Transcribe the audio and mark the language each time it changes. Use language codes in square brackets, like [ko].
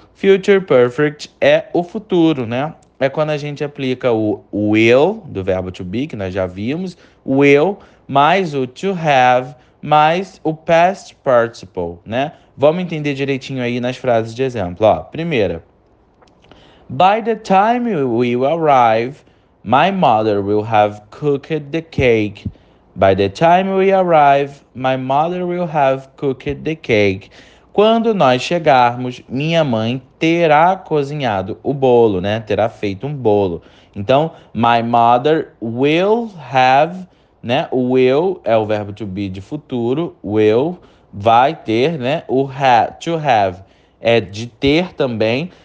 [pt] Future perfect é o futuro, né? É quando a gente aplica o will do verbo to be, que nós já vimos, o will mais o to have mais o past participle, né? Vamos entender direitinho aí nas frases de exemplo. Ó, primeira. [en] By the time we arrive, my mother will have cooked the cake. By the time we arrive, my mother will have cooked the cake. [pt] Quando nós chegarmos, minha mãe terá cozinhado o bolo, né? Terá feito um bolo. Então, [en] my mother will have, [pt] né? O will é o verbo to be de futuro. Will vai ter, né? O have, to have é de ter também.